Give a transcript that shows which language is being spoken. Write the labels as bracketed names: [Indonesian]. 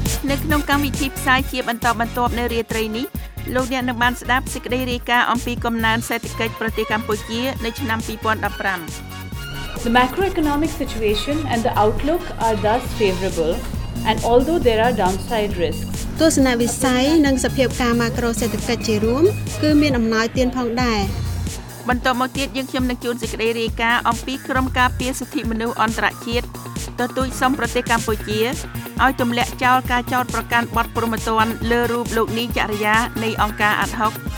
[Khmer] នៅក្នុងកម្មវិធីផ្សាយជាបន្តបន្ទាប់នៅរាត្រីនេះលោកអ្នកនឹងបានស្ដាប់សេចក្តីរាយការណ៍អំពីកំណើនសេដ្ឋកិច្ចប្រទេសកម្ពុជានៅឆ្នាំ2015 [English] The macroeconomic situation and the outlook are thus favorable and although there are downside risks [Khmer] ទស្សនវិស័យនិងសភាពការម៉ាក្រូសេដ្ឋកិច្ចជារួមគឺមានអំណោយទានផងដែរ បន្តមកទៀតយើងខ្ញុំនឹងជូនសេចក្តីរាយការណ៍អំពីក្រុមការពារសិទ្ធិមនុស្សអន្តរជាតិទទូចសំប្រទេសកម្ពុជាឲ្យទម្លាក់ចោលការចោទប្រកាន់បទប្រមទ័នលើរូបលោកនីចរិយានៃអង្គការអាត់ហុក